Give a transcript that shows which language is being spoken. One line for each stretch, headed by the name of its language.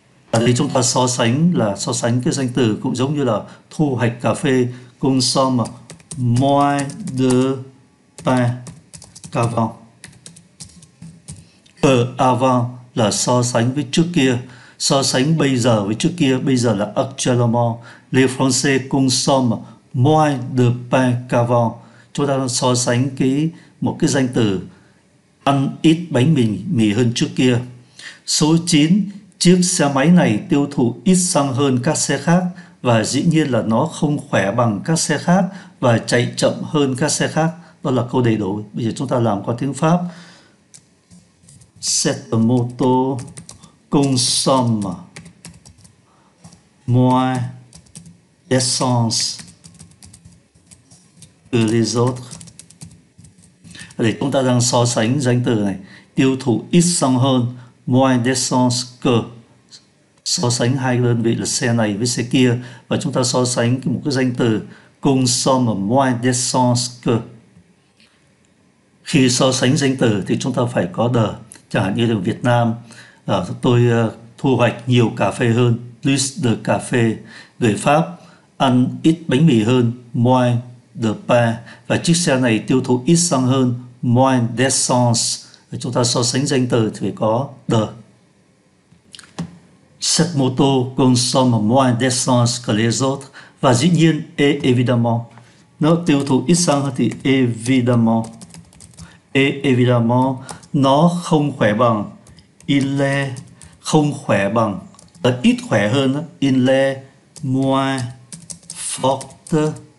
Vietnamese: Ở đây chúng ta so sánh là so sánh cái danh từ cũng giống như là thu hoạch cà phê
French: consomme moins de pain qu'avant.
Vietnamese: Ở avant là so sánh với trước kia, so sánh bây giờ với trước kia, bây giờ là actuellement.
French: Les Français consomment moins de pain qu'avant.
Vietnamese: Chúng ta so sánh một cái danh từ ăn ít bánh mì hơn trước kia. Số 9, chiếc xe máy này tiêu thụ ít xăng hơn các xe khác, và dĩ nhiên là nó không khỏe bằng các xe khác và chạy chậm hơn các xe khác. Đó là câu đầy đủ. Bây giờ chúng ta làm qua tiếng Pháp.
French: Cette moto consomme moins d'essence. Les autres.
Vietnamese: Chúng ta đang so sánh danh từ này, tiêu thụ ít xăng hơn,
French: moins d'essence que.
Vietnamese: So sánh hai cái đơn vị là xe này với xe kia, và chúng ta so sánh một cái danh từ
French: consomme moins d'essence que.
Vietnamese: Khi so sánh danh từ thì chúng ta phải có the. Chẳng hạn như ở Việt Nam, tôi thu hoạch nhiều cà phê hơn,
French: plus de
Vietnamese: cà phê. Người Pháp ăn ít bánh mì hơn,
French: moins de pain.
Vietnamese: Và chiếc xe này tiêu thụ ít xăng hơn,
French: moins d'essence.
Vietnamese: Chúng ta so sánh danh từ thì phải có the.
French: Cette moto consomme moins d'essence que les autres.
Vietnamese: Và dĩ nhiên, évidemment. Nó tiêu thụ ít xăng hơn thì
French: évidemment. Évidemment,
Vietnamese: nó không khỏe bằng.
French: Il est
Vietnamese: không khỏe bằng. Là ít khỏe hơn.
French: Il est moins fort.